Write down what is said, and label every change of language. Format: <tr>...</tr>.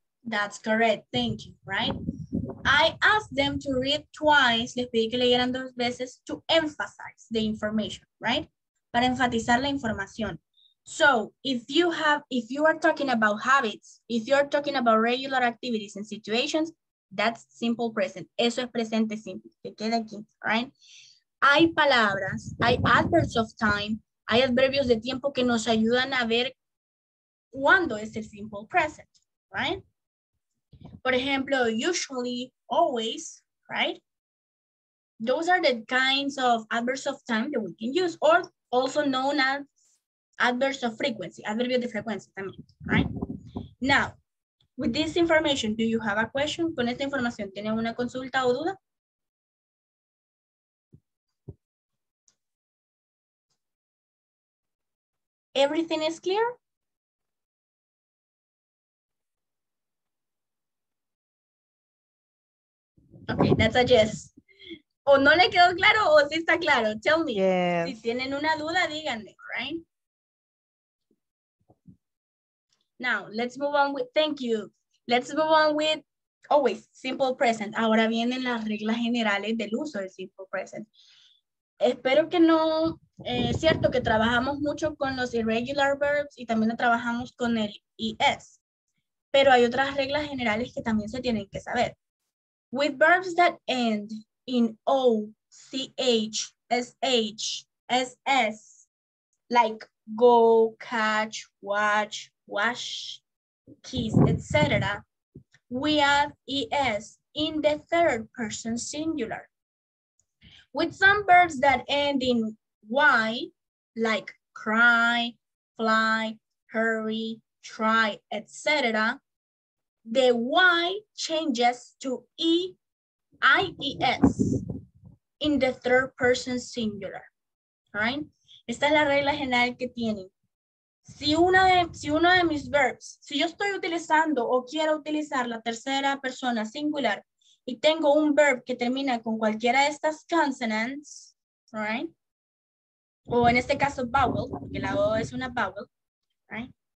<en>That's correct, thank you, right? I asked them to read twice, les pedí que leyeran dos veces, to emphasize the information, right?</en> <es>Para enfatizar la información.</es> <en>So, if you are talking about habits, if you're talking about regular activities and situations, that's simple present.</en> <es>Eso es presente simple. Que quede aquí, right? Hay palabras, hay adverbs of time, hay adverbios de tiempo que nos ayudan a ver cuándo es el simple present, right?</es> <en>For example, usually, always, right? Those are the kinds of adverbs of time that we can use, or also known as adverbs of frequency, adverbios de frecuencia también, right? Now, with this information, do you have a question?</en> <es>Con esta información, ¿tienen una consulta o duda?</es> <en>Everything is clear?</en> <es>Okay, that's a yes. O no le quedó claro o sí está claro.</es> <en>Tell me. Yes.</en> <es>Si tienen una duda, díganme, right?</es> <en>Now, let's move on with, thank you. Let's move on with Always, simple present.</en> <es>Ahora vienen las reglas generales del uso del simple present. Espero que no, es cierto que trabajamos mucho con los irregular verbs y también trabajamos con el ES, pero hay otras reglas generales que también se tienen que saber.</es> <en>With verbs that end in O, CH, SH, SS, like go, catch, watch, wash, kiss, etc., we add ES in the third person singular. With some verbs that end in Y, like cry, fly, hurry, try, etc., the Y changes to E, I-E-S, in the third person singular, right?</en> <es>Esta es la regla general que tienen. Si uno de mis verbs, si yo estoy utilizando o quiero utilizar la tercera persona singular, y tengo un verb que termina con cualquiera de estas consonants, right? O en este caso vowel, porque la O es una vowel, right?</es>